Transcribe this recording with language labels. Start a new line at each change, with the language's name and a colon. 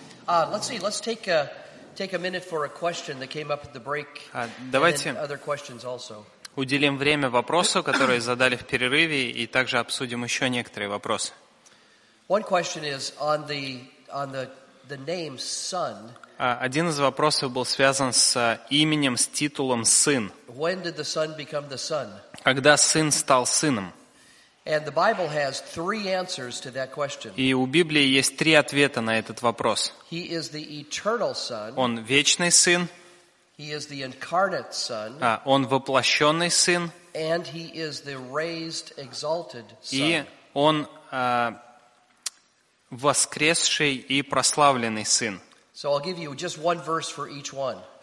English: Let's take a minute for a question that came up at the break.
Russian: Давайте
English: and other questions also.
Russian: Уделим время вопросу, который задали в перерыве, и также обсудим еще некоторые вопросы.
English: One question is on the name son.
Russian: Один из вопросов был связан с именем, с титулом сын.
English: When did the son become the son?
Russian: Когда сын стал сыном?
English: And the Bible has three answers to that question.
Russian: И у Библии есть три ответа на этот вопрос.
English: He is the eternal son.
Russian: Он вечный сын.
English: He is the incarnate son.
Russian: Он воплощенный сын.
English: And he is the raised, exalted son.
Russian: И он воскресший и прославленный сын.
English: So I'll give you just one verse for each one.